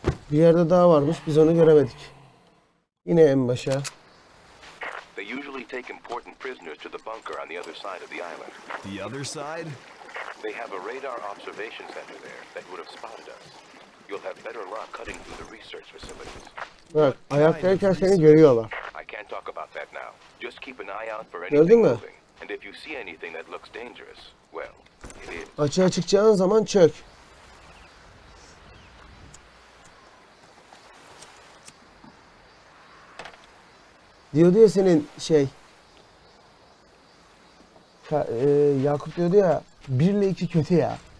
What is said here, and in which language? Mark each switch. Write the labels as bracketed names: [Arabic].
[Turkish] Bir yerde daha varmış, biz onu göremedik. Yine en başa. [English] They usually take important prisoners to the bunker on the other side of the island. The other side? They have a radar observation center there that would have spotted us. You'll have better luck cutting through the research facilities. [Turkish] Bak, ayaktayken seni görüyorlar. [English] I can't talk about that now. Just keep an eye out for anything moving. And if you see anything that looks dangerous, well, it is. [Turkish] Açığa çıkacağın zaman çök. Diyordu ya senin şey, Yakup diyordu ya, 1 ile 2 kötü ya.